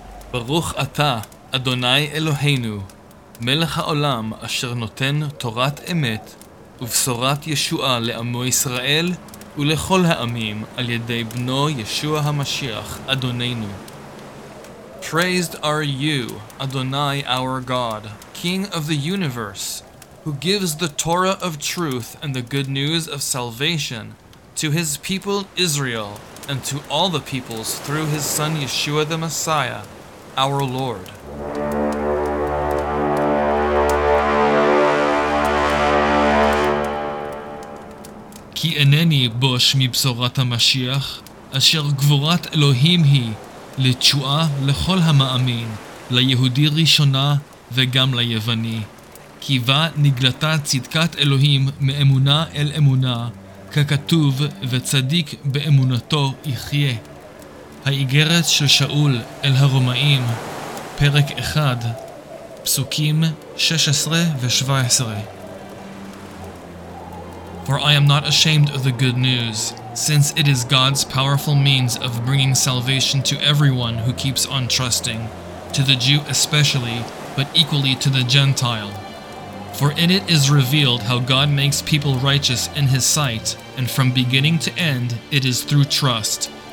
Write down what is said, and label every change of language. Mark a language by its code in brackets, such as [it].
[he] ברוך אתה, אדוני אלוהינו, מלך העולם אשר נותן תורת אמת ובשורת ישועה לעמו ישראל ולכל העמים על ידי בנו ישוע המשיח, אדוננו. [en] Praised are you, Adonai our God, King of the universe, who gives the Torah of truth and the good news of salvation to his people Israel and to all the peoples through his son Yeshua the Messiah, our Lord. [he] כי אינני בוש מבשורת המשיח, אשר גבורת אלוהים היא לתשועה לכל המאמין, ליהודי ראשונה וגם ליווני. כי בה נגלתה צדקת אלוהים מאמונה אל אמונה, ככתוב וצדיק באמונתו יחיה. האיגרת של שאול אל הרומאים, פרק 1, פסוקים 16 ו-17. [en] For I am not ashamed of the good news, since it is God's powerful means of bringing salvation to everyone who keeps on trusting, to the Jew especially, but equally to the Gentile. For in it is revealed how God makes people righteous in his sight, and from beginning to end it is through trust.